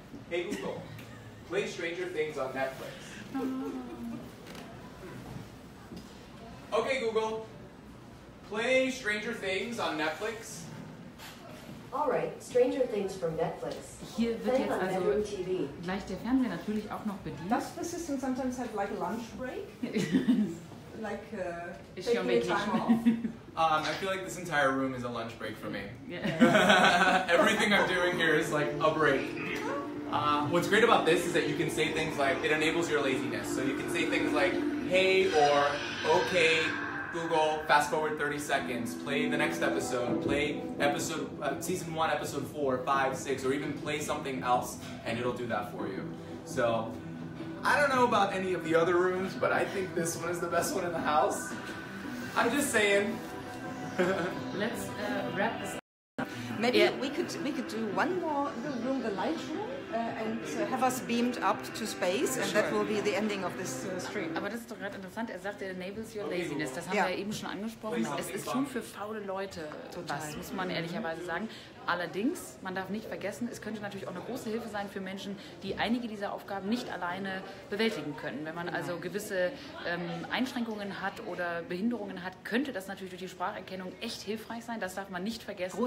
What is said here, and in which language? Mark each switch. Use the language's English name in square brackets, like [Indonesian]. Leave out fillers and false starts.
[English] Hey, Google. Play Stranger Things on Netflix. Okay, Google. Play Stranger Things on Netflix. Alright, Stranger Things from Netflix. [German] Hier wird jetzt also gleich der Fernseher natürlich auch noch bedient. [English] Does the system sometimes have like a lunch break? Is she on vacation? I feel like this entire room is a lunch break for me. Yeah. Everything I'm doing here is like a break. What's great about this is that you can say things like, it enables your laziness. So you can say things like, hey, or okay, Google, fast forward 30 seconds, play the next episode, play episode season 1, episode 4, 5, 6, or even play something else, and it'll do that for you. So I don't know about any of the other rooms, but I think this one is the best one in the house. I'm just saying. Let's wrap this up. Maybe we could do one more room, the light room, and have us beamed up to space, and that will be the ending of this stream. [German] Aber das ist doch gerade interessant. Er sagt, [English] it enables your laziness. [German] Das haben wir ja eben schon angesprochen. Es ist schon für faule Leute was, muss man ehrlicherweise sagen. Allerdings, man darf nicht vergessen, es könnte natürlich auch eine große Hilfe sein für Menschen, die einige dieser Aufgaben nicht alleine bewältigen können. Wenn man also gewisse Einschränkungen hat oder Behinderungen hat, könnte das natürlich durch die Spracherkennung echt hilfreich sein. Das darf man nicht vergessen.